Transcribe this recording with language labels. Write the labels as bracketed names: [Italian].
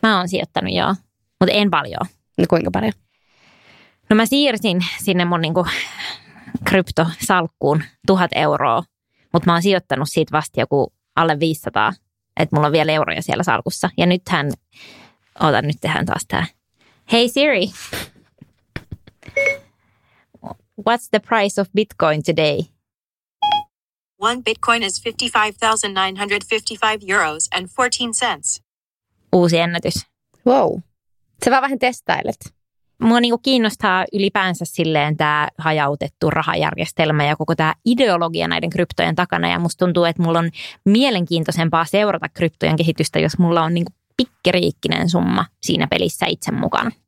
[Finnish] Mä oon sijoittanut, joo. Mutta en paljon. No kuinka paljon? No mä siirsin sinne mun niinku kryptosalkkuun 1000 euroa, mutta mä oon sijoittanut siitä vasta joku alle 500, että mulla on vielä euroja siellä salkussa. Ja nythän ota, nyt tehdään taas tää. [English] Hey Siri, what's the price of Bitcoin today? 1 Bitcoin is 55,955 euros and 14 cents. [Finnish] Uusi ennätys. [English] Wow. [Finnish] Sä vaan vähän testailet. Mua niinku kiinnostaa ylipäänsä silleen tää hajautettu rahajärjestelmä ja koko tää ideologia näiden kryptojen takana. Ja musta tuntuu, että mulla on mielenkiintoisempaa seurata kryptojen kehitystä, jos mulla on niinku pikkeriikkinen summa siinä pelissä itse mukana.